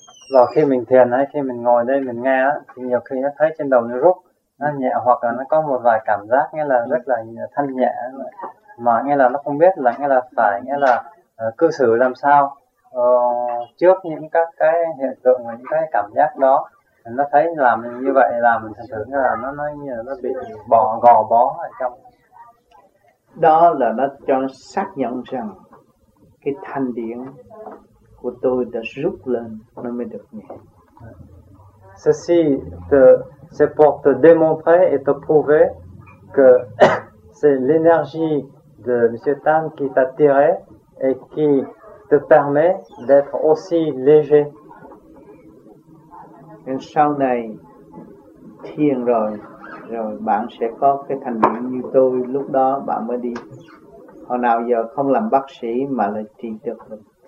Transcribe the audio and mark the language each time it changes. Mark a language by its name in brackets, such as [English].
[Vietnamese] Rồi khi mình thiền hay khi mình ngồi đây mình nghe thì nhiều khi nó thấy trên đầu nó rút, nó nhẹ hoặc là nó có một vài cảm giác nghĩa là rất là thanh nhẹ, mà nghĩa là nó không biết là nghĩa là phải nghĩa là cư xử làm sao trước những các cái hiện tượng và những cái cảm giác đó. Nó thấy làm như vậy là mình thật sự nghĩa là nó bị bỏ gò bó ở trong đó, là nó cho nó xác nhận rằng cái thanh điển của tôi đã rút lên nó mới được nghe. [French] Ceci te, c'est pour te démontrer et te prouver que c'est l'énergie de M. Tan qui t'a tiré et qui te permet d'être aussi léger. Et [Vietnamese] sau này thiền rồi bạn sẽ có cái thành điển như tôi, lúc đó bạn mới đi. Hồi nào giờ không làm bác sĩ mà lại trị được mình.